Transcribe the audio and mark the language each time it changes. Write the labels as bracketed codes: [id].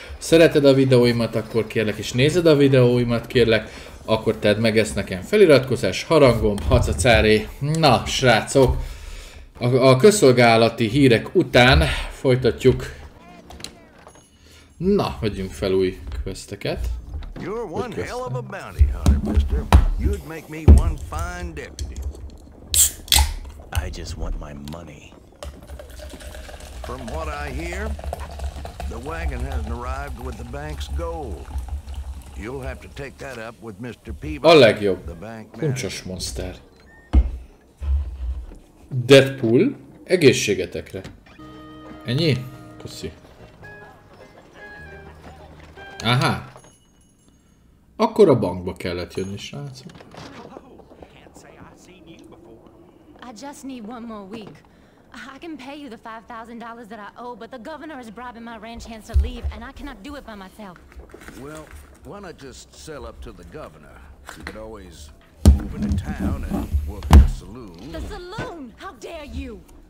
[hu] Szereted a videóimat, akkor kérlek, és nézed a videóimat, kérlek, akkor tedd meg ezt nekem. Feliratkozás, harangom, hacacáré. Na, srácok! A közszolgálati hírek után folytatjuk. Na, vegyünk fel új közteket. [en] You're one hell of a bounty hunter, mister. You'd make me one fine deputy. I just want my money. From what I hear, the wagon hasn't arrived with the bank's gold. You'll have to take that up with Mr. Peabody, the bank manager. Kuncsos monster. [hu] Deadpool, egészségetekre. Ennyi? Köszi. Aha. Akkor a bankba kellett jönni, srácok. [en] I just need one more week. I can pay you the $5,000 that I owe, but the governor is bribing my ranch hands to leave and I cannot do it by myself. Well, why not just sell up to the governor? You could always move into town and work in a saloon. The saloon? How dare you?